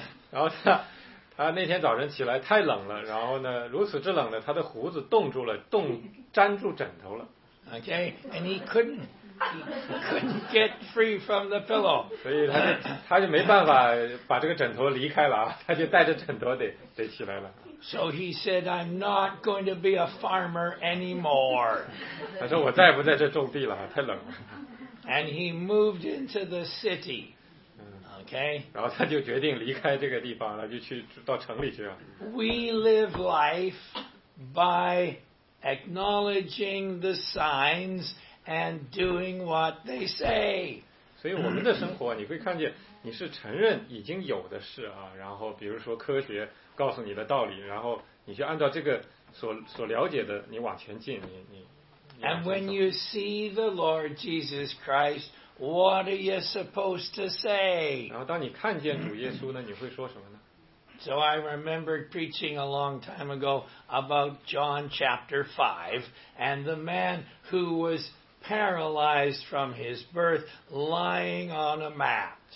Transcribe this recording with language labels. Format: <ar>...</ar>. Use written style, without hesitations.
<zh>然后他那天早上起来太冷了，然后呢，如此之冷了，他的胡子冻住了，粘住枕头了。</zh> <en>Okay, and he couldn't. He couldn't get free from the pillow.</en> <zh>所以他就没办法把这个枕头离开了啊，他就带着枕头得起来了。</zh> <en>So he said, I'm not going to be a farmer anymore.</en> <zh>他说我再不在这种地了，太冷了。</zh> <en>And he moved into the city. Okay.</en> <zh>然后他就决定离开这个地方，他就去到城里去了。</zh> <en>We live life by acknowledging the signs. And doing what they say.</en> <zh>所以我们的生活，你会看见，你是承认已经有的事啊，然后比如说科学告诉你的道理，然后你去按照这个所了解的，你往前进，你。</zh> <en>And when you see the Lord Jesus Christ, what are you supposed to say?</en> <zh>然后当你看见主耶稣呢，你会说什么呢？</zh> <en>So I remember preaching a long time ago about John chapter 5 and the man who was paralyzed from his birth lying on a mat.</en>